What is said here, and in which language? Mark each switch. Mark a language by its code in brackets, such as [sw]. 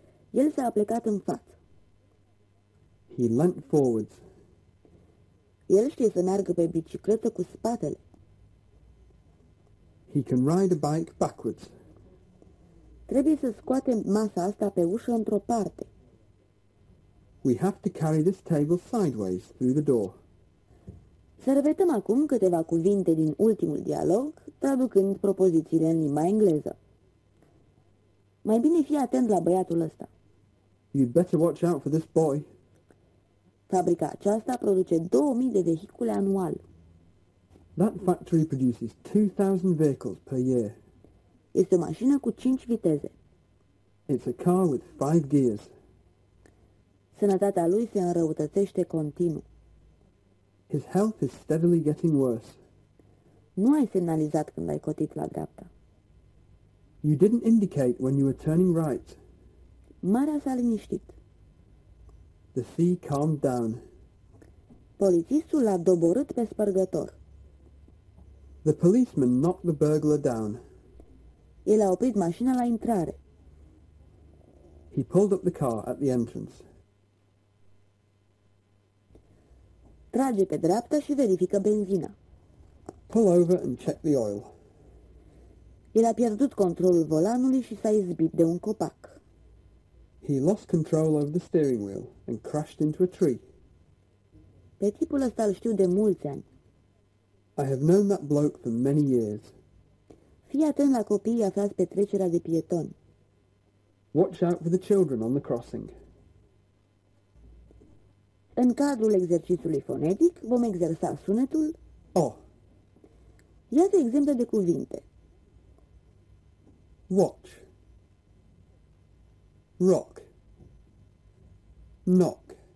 [ro] El s-a aplecat în față. [en] He leant forwards. [ro] El știe să meargă pe bicicletă cu spatele. [en] He can ride a bike backwards. [ro] Trebuie să scoatem masa asta pe ușă într-o parte. [en] We have to carry this table sideways through the door. [ro] Să repetăm acum câteva cuvinte din ultimul dialog, traducând propozițiile în limba engleză. Mai bine fii atent la băiatul ăsta. [en] You'd better watch out for this boy. [ro] Fabrica aceasta produce 2000 de vehicule anual. [en] That factory produces 2000 vehicles per year. [ro] Este o mașină cu 5 viteze. [en] It's a car with 5 gears. [ro] Sănătatea lui se înrăutățește continuu. [en] His health is steadily getting worse. [ro] Nu ai semnalizat când ai cotit la dreapta. [en] You didn't indicate when you were turning right. [ro] Marea s-a liniștit. [en] The sea calmed down. [ro] Polițistul l-a doborât pe spărgător. [en] The policeman knocked the burglar down. [ro] El a oprit mașina la intrare. [en] He pulled up the car at the entrance. [ro] Trage pe dreapta și verifică benzina. [en] Pull over and check the oil. [ro] El a pierdut controlul volanului și s-a izbit de un copac. [en] He lost control over the steering wheel and crashed into a tree. [ro] Pe tipul ăsta îl știu de mulți ani. [en] I have known that bloke for many years. [ro] Fii atent la copiii aflați pe trecerea de pietoni. [en] Watch out for the children on the crossing. [ro] În cadrul exercițiului fonetic vom exersa sunetul O. Iată exemple de cuvinte. [en] Watch. Rock. Knock.